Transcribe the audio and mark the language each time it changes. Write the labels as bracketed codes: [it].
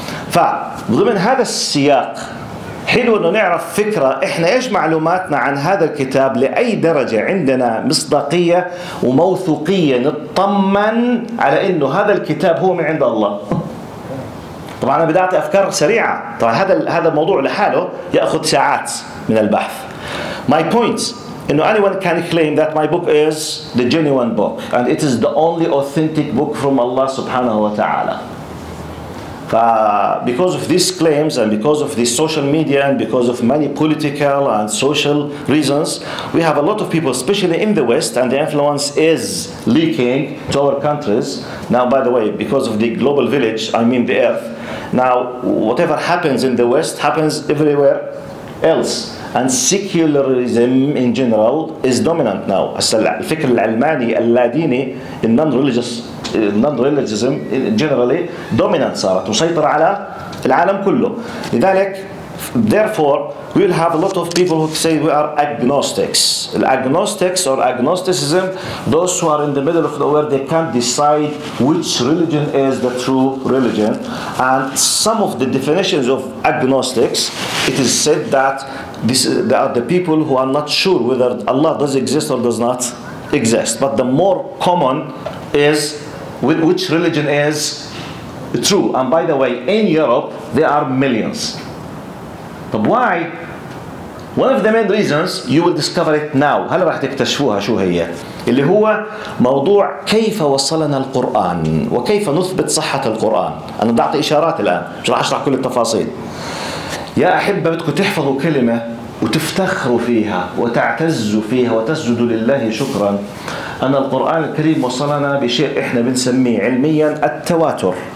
[ar] فضمن هذا السياق حلو أنه نعرف فكرة إحنا إيش معلوماتنا عن هذا الكتاب، لأي درجة عندنا مصداقية وموثوقية نطمن على أنه هذا الكتاب هو من عند الله. طبعا أنا بدأت أفكار سريعة، طبعا هذا الموضوع لحاله يأخذ ساعات من البحث. [en] My point أنه anyone can claim that my book is the genuine book and it is the only authentic book from Allah [ar] سبحانه وتعالى. [en] Because of these claims and because of the social media and because of many political and social reasons, we have a lot of people, especially in the West, and the influence is leaking to our countries. Now, by the way, because of the global village, I mean the earth. Now, whatever happens in the West happens everywhere else. And secularism in general is dominant now. [ar] الفكر العلماني اللاديني [en] in non-religious non-religism generally dominant [ar] صارت مسيطرة على العالم كله. [en] لذلك therefore we'll have a lot of people who say we are agnostics. Agnostics or agnosticism, those who are in the middle of the world, they can't decide which religion is the true religion. And some of the definitions of agnostics, it is said that they are the people who are not sure whether Allah does exist or does not exist. But the more common is which religion is true. And by the way, in Europe, there are millions. But why? One of the main reasons, you will discover it now. [ar] هل راح تكتشفوها شو هي؟ اللي هو موضوع كيف وصلنا القرآن وكيف نثبت صحة القرآن. أنا بدي أعطي إشارات الآن، مش راح أشرح كل التفاصيل. يا أحبة بدكم تحفظوا كلمة وتفتخروا فيها وتعتزوا فيها وتسجدوا لله شكرا، أن القرآن الكريم وصلنا بشيء إحنا بنسميه علميا التواتر.